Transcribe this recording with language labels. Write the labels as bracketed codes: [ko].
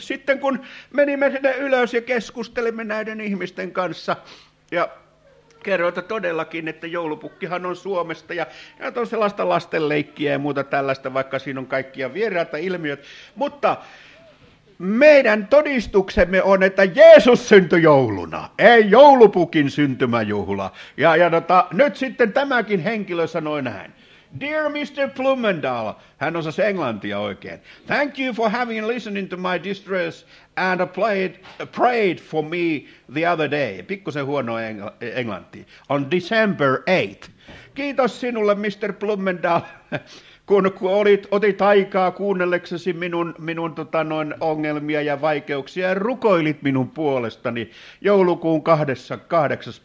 [fi] Sitten kun menimme sinne ylös ja keskustelimme näiden ihmisten kanssa ja kerroita todellakin, että joulupukkihan on Suomesta ja on sellaista lastenleikkiä ja muuta tällaista, vaikka siinä on kaikkia vieraita ilmiöt, mutta meidän todistuksemme on, että Jeesus syntyi jouluna, ei joulupukin syntymäjuhla. Ja nyt sitten tämäkin henkilö sanoi näin. [en] Dear Mr. [fi] Blumendahl, hän osasi englantia oikein. [en] Thank you for having listened to my distress and prayed for me the other day. [fi] Pikkusen huono englanti. [en] On December 8th. [fi] Kiitos sinulle, Mr. Blumendahl. Kun otit aikaa kuunnelleksesi minun ongelmia ja vaikeuksia ja rukoilit minun puolestani joulukuun 28.